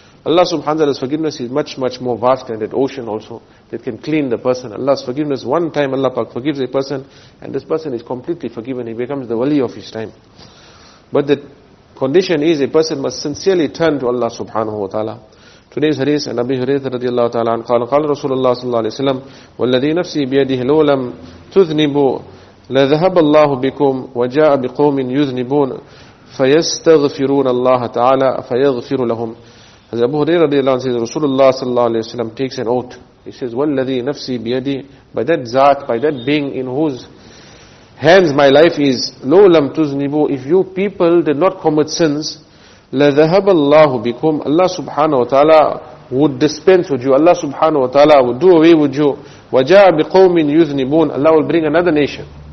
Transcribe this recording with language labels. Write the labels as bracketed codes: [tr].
[en] Allah subhanahu wa ta'ala's forgiveness is much, much more vast than that ocean also that can clean the person. Allah's forgiveness, one time Allah Pak forgives a person and this person is completely forgiven. He becomes the wali of his time. But the condition is a person must sincerely turn to Allah subhanahu wa ta'ala. Today's hadith, [ar] and Abi Hurairah radiallahu ta'ala an qala Rasulullah sallallahu alayhi wa sallam, وَالَّذِي نَفْسِي بِيَدِهِ لَوْ لَمْ تُذْنِبُوا لَذَهَبَ اللَّهُ بِكُمْ وَجَاءَ بِقَوْمٍ يُذْنِبُونَ فَيَسْتَغْفِرُونَ اللَّهَ تَعَالَى فَيَغْفِرُ لَهُمْ. [en] As Abu Hurairah radiallahu anhu says, Rasulullah sallallahu alayhi wa sallam takes an oath. He says, [ar] وَالَّذِي نَفْسِي بِيَدِهِ, [en] by that zat, by that being in whose hands my life is, [ar] لَوْ لَمْ تُذْنِبُوا, [en] if you people did not commit sins, [ar] لَذَهَبَ اللَّهُ بِكُمْ, [en] Allah subhanahu wa ta'ala would dispense with you, Allah subhanahu wa ta'ala would do away with you, [ar] وَجَاءَ بِقَوْمٍ يُذْنِبُونَ, [en] Allah will bring another nation.